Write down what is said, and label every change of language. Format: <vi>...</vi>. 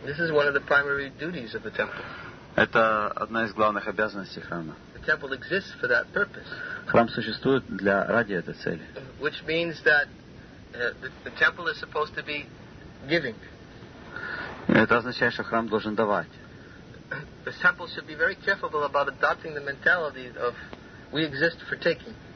<en>This is one of the primary duties of the temple.</en> <ru>Это одна из главных обязанностей храма.</ru> <en>The temple exists for that purpose.</en> <ru>Храм существует для ради этой цели.</ru> <en>Which means that the temple is supposed to be giving.</en> <ru>Это означает, что храм должен давать.</ru> <en>The temple should be very careful about adopting the mentality of we exist for taking.</en>